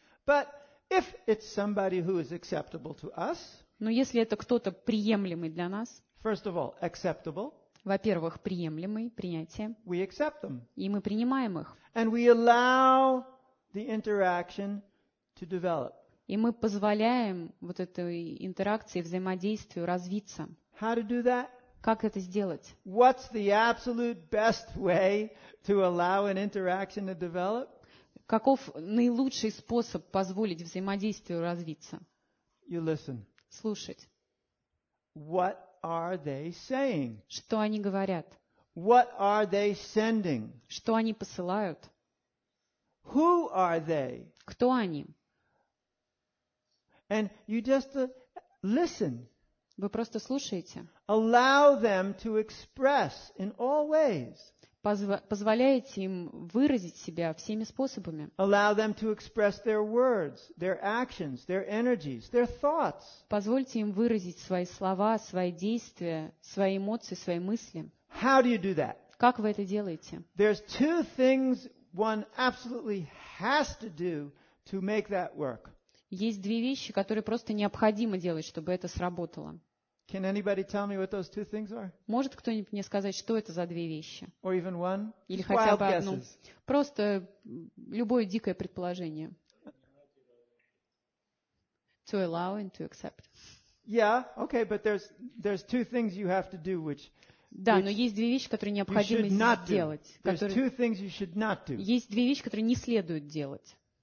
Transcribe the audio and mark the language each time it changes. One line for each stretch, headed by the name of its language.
English: But if it's somebody who is acceptable to us,
Russian: но если это кто-то приемлемый для нас,
English: first of all, acceptable,
Russian: во-первых, приемлемый, принятие,
English: we accept them.
Russian: И мы принимаем их.
English: And we allow the interaction to develop.
Russian: И мы позволяем вот этой интеракции, взаимодействию развиться.
English: How to do that?
Russian: Как это сделать?
English: What's the absolute best way to allow an interaction to develop?
Russian: Каков наилучший способ позволить взаимодействию развиться?
English: You listen.
Russian: Слушать.
English: What are they saying?
Russian: Что они говорят?
English: What are they sending?
Russian: Что они посылают?
English: Who are they?
Russian: Кто они?
English: And you just listen.
Russian: Вы просто слушаете.
English: Allow them to express in all ways.
Russian: Позволяете им выразить себя всеми способами.
English: Allow them to express their words, their actions, their energies, their thoughts.
Russian: Позвольте им выразить свои слова, свои действия, свои эмоции, свои мысли.
English: How do you do that?
Russian: Как вы это делаете?
English: There's two things one absolutely has to do to make that work.
Russian: Есть две вещи, которые просто необходимо делать, чтобы это сработало.
English: Can anybody tell me what those two things are?
Russian: Может кто-нибудь мне сказать, что это за две вещи?
English: Or even one?
Russian: Или хотя бы одну. Просто любое дикое предположение.
English: To allow and to accept. Yeah, okay, but there's two things you have to do, which...
Russian: Да, но есть две вещи, которые необходимо сделать.
English: There's two things you should not do.
Russian: Есть две вещи, которые не следует делать.